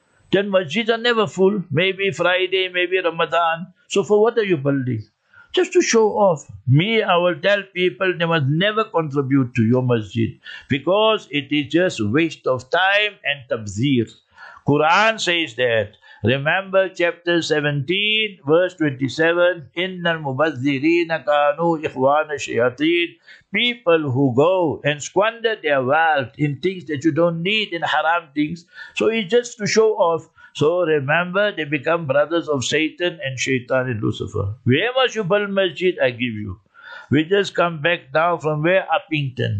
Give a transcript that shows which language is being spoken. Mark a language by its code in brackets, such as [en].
[en] Then masjids are never full, maybe Friday, maybe Ramadan. So for what are you building? Just to show off. Me, I will tell people they must never contribute to your masjid because it is just waste of time and tabzir. Quran says that. Remember chapter 17, verse 27, [ar] إِنَّ الْمُبَذِّرِينَ كَانُوا إِخْوَانَ الشَّيَاطِينَ. [en] People who go and squander their wealth in things that you don't need, in haram things. So it's just to show off. So remember, they become brothers of Satan and Shaitan and Lucifer. Wherever you build masjid, I give you. We just come back now from where? Uppington.